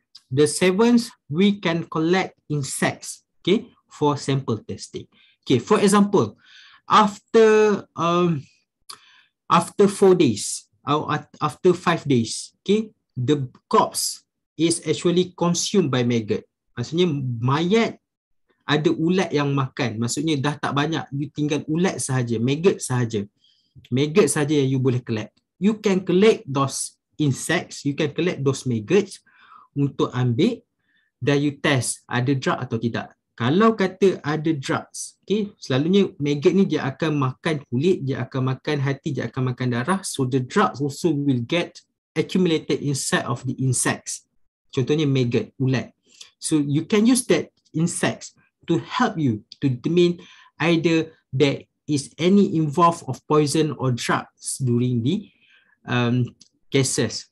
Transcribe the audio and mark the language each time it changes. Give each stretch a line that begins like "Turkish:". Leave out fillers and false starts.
English: The seventh, we can collect insects. Okay, for sample testing. Okay, for example, after 4 days, after 5 days. Okay, the corpse is actually consumed by maggot.
Malay: Maksudnya mayat ada ulat yang makan. Maksudnya dah tak banyak, you tinggal ulat sahaja, maggot sahaja. Maggot sahaja yang you boleh collect.
English: You can collect those insects, you can collect those maggots
Malay: untuk ambil dan
English: you test
Malay: ada
English: drug
Malay: atau tidak. Kalau kata ada drugs, okay, selalunya maggot ni dia akan makan kulit, dia akan makan hati, dia akan makan darah.
English: So the drugs also will get accumulated inside of the insects.
Malay: Contohnya
English: maggot, ulat. So you can use that insects to help you to determine either there is any involved of poison or drugs during the cases.